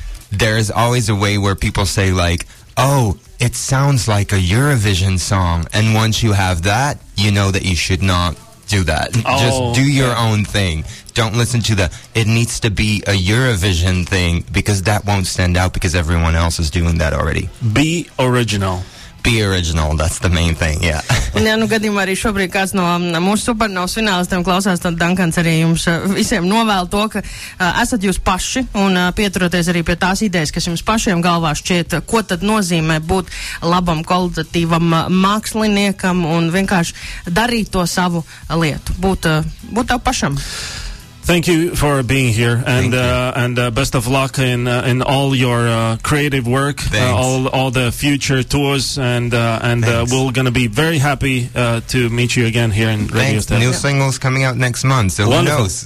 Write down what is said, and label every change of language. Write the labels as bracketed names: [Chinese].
[English] There's always a way where people say it sounds like a Eurovision song, and once you have that, you know that you should not do that. Just do your own thing. Don't listen to it needs to be a Eurovision thing, because that won't stand out because everyone else is doing that already. Be original. Be original, that's the main thing, yeah. [Latvian] Ja, gadījumā arī šobrīd kāds no mūsu supernovas finālistiem klausās, tad Dankans arī jums visiem novēl to, ka esat jūs paši un pieturoties arī pie tās idejas, kas jums pašiem galvā šķiet, ko tad nozīmē būt labam kvalitatīvam māksliniekam un vienkārši darīt to savu lietu, būt tev pašam. [English] Thank you for being here, and best of luck in all your creative work, all the future tours, and we're gonna be very happy to meet you again here in Radio Stel. New single's coming out next month, so wonderful. Who knows?